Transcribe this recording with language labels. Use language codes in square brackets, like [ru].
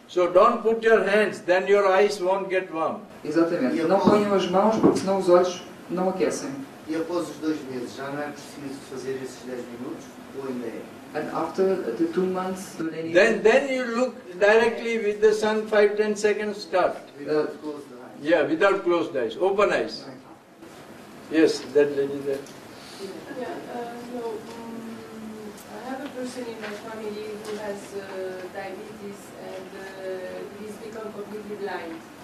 [en] So don't put your hands, then your eyes won't get warm. [pt] Exatamente. Não ponham as mãos porque senão os olhos não aquecem. E após os 2 meses, já não é preciso fazer esses 10 minutos? Ou ainda é? [en] And after the 2 months, do they need then you look directly with the sun 5-10 seconds start. Without closed eyes. Yeah, without closed eyes. Open eyes. Yes, that lady there. Yeah, I have a person in my family who has diabetes and he's become completely blind.